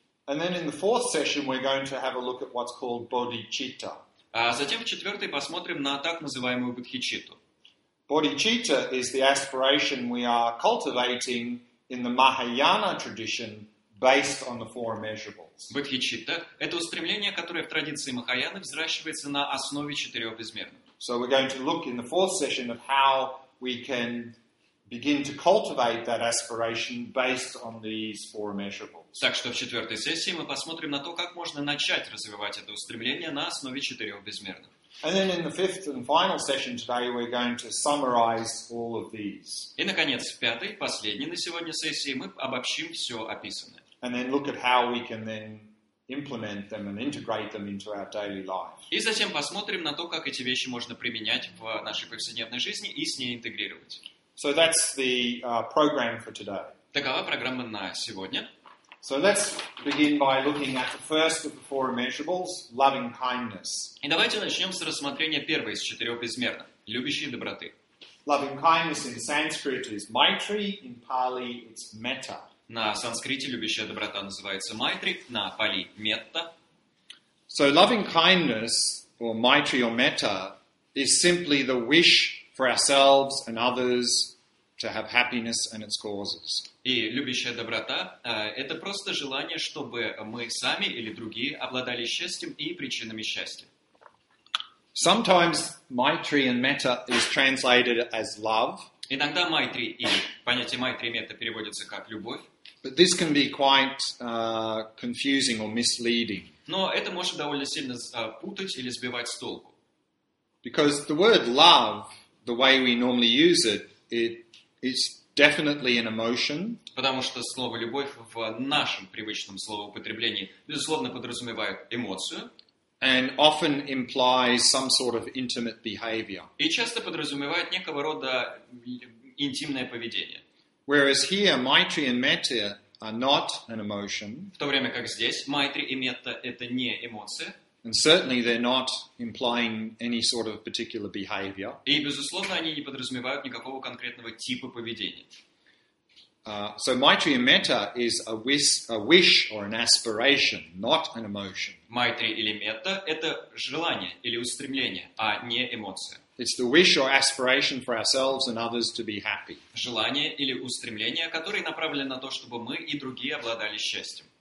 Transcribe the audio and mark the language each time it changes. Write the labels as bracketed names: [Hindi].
[English] And then in the fourth session we're going to have a look at what's called bodhicitta. [Russian] А затем в четвертой посмотрим на так называемую бодхичитту. [English] Bodhicitta is the aspiration we are cultivating in the Mahayana tradition based on the four immeasurables. [Russian] Бодхичитта — это устремление, которое в традиции Махаяны взращивается на основе четырех безмерных. [English] So we're going to look in the fourth session of how we can begin to cultivate that aspiration based on these four measurables. [Russian] Так что в четвертой сессии мы посмотрим на то, как можно начать развивать это устремление на основе четырех безмерных. [English] And then in the fifth and final session today, we're going to summarize all of these. [Russian] И наконец, в пятой, последней на сегодня сессии, мы обобщим все описанное. [English] And then look at how we can then implement them and integrate them into our daily life. [Russian] И затем посмотрим на то, как эти вещи можно применять в нашей повседневной жизни и с ней интегрировать. [English] So that's the program for today. [Russian] Такова программа на сегодня. [English] So let's begin by looking at the first of the four immeasurables, loving kindness. [Russian] И давайте начнем с рассмотрения первой из четырех безмерных, любящей доброты. [English] Loving kindness in Sanskrit is Maitri, in Pali it's Metta. [Russian] На санскрите любящая доброта называется Maitri, на пали Metta. [English] So loving kindness, or Maitri or Metta, is simply the wish for ourselves and others to have happiness and its causes. [Russian] И любящая доброта — это просто желание, чтобы мы сами или другие обладали счастьем и причинами счастья. [English] Sometimes Maitri and Metta is translated as love. [Russian] Иногда Maitri и понятие Maitri и Metta переводится как любовь. [English] But this can be quite confusing or misleading. [Russian] Но это может довольно сильно путать или сбивать с толку. [English] Because the word love, the way we normally use it, it is definitely an emotion. [Russian] Потому что слово «любовь» в нашем привычном словоупотреблении безусловно подразумевает эмоцию. [English] And often implies some sort of intimate behavior. [Russian] И часто подразумевает некого рода интимное поведение. [English] Whereas here, Maitri and Metta are not an emotion. [Russian] В то время как здесь Maitri и Metta — это не эмоция. [English] And certainly they're not implying any sort of particular behavior. [Russian] И, безусловно, они не подразумевают никакого конкретного типа поведения. [English] So Maitri and Metta is a wish or an aspiration, not an emotion. [Russian] Maitri или Metta — это желание или устремление, а не эмоция. [English] It's the wish or aspiration for ourselves and others to be happy. [Russian] Желание или устремление, которое направлено на то, чтобы мы и другие обладали счастьем.